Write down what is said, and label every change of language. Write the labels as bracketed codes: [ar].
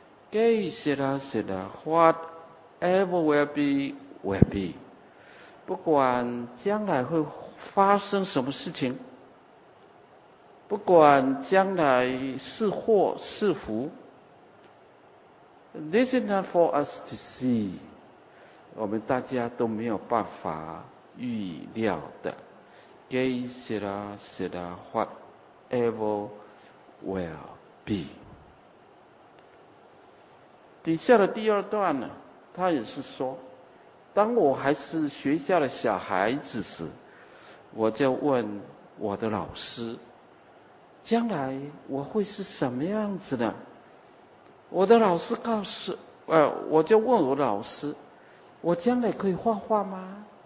[zh] 给谢拉谢拉 ， [en] whatever will be will be， [zh] 不管将来会发生什么事情，不管将来是祸是福。 [en] This is not for us to see. [zh] 我们大家都没有办法预料的。给谢拉谢拉 ， [en] whatever will be。 [zh] 底下的第二段呢，他也是说，当我还是学校的小孩子时，我就问我的老师，将来我会是什么样子呢？我的老师告诉我就问我的老师，我将来可以画画吗？